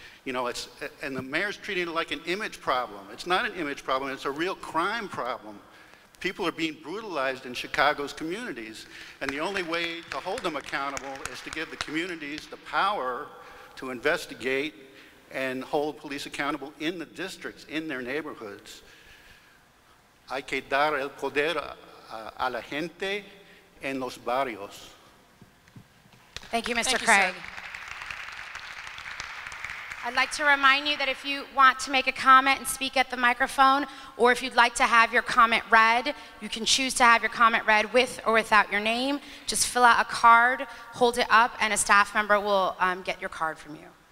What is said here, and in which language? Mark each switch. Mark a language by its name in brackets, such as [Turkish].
[English] You know, and the mayor's treating it like an image problem. It's not an image problem, it's a real crime problem. People are being brutalized in Chicago's communities, and the only way to hold them accountable is to give the communities the power to investigate and hold police accountable in the districts, in their neighborhoods. [Spanish] Hay que dar el poder a la gente en los barrios. [English] Thank you, Mr. Craig. Sir. I'd like to remind you that if you want to make a comment and speak at the microphone, or if you'd like to have your comment read, you can choose to have your comment read with or without your name. Just fill out a card, hold it up, and a staff member will get your card from you.